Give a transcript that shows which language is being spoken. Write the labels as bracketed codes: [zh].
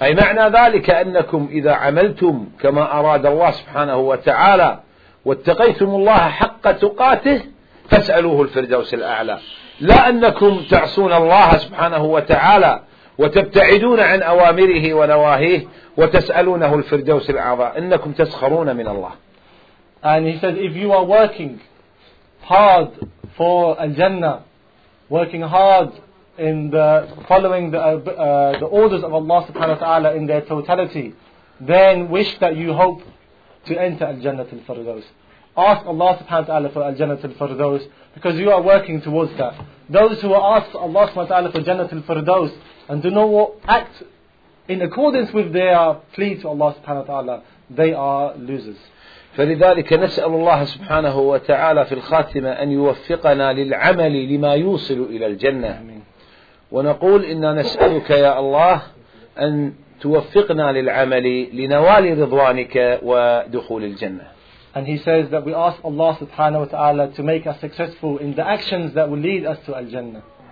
[ar] أي معنى ذلك أنكم إذا عملتم كما أراد الله سبحانه وتعالى واتقيتم الله حق تقاته فاسألوه الفردوس الأعلى، لا أنكم تعصون الله سبحانه وتعالى وتبتعدون عن أوامره ونواهيه وتسألونه الفردوس الأعلى، إنكم تسخرون من الله. [en] And he said if you are working hard for al-jannah, working hard in the following the orders of Allah subhanahu wa ta'ala in their totality, then wish that you hope to enter Al-Jannah al-Firdaus. Ask Allah subhanahu wa ta'ala for Al-Jannah al-Firdaus, because you are working towards that. Those who ask Allah subhanahu wa ta'ala for Jannah al-Firdaus and do not act in accordance with their plea to Allah subhanahu wa ta'ala, they are losers. [ar] فلذلك نسأل الله سبحانه وتعالى في الخاتمة أن يوفقنا للعمل لما يوصل إلى الجنة. ونقول إنا نسألك يا الله أن توفقنا للعمل لنوال رضوانك ودخول الجنة. [en] And he says that we ask Allah subhanahu wa ta'ala to make us successful in the actions that will lead us to Al-Jannah.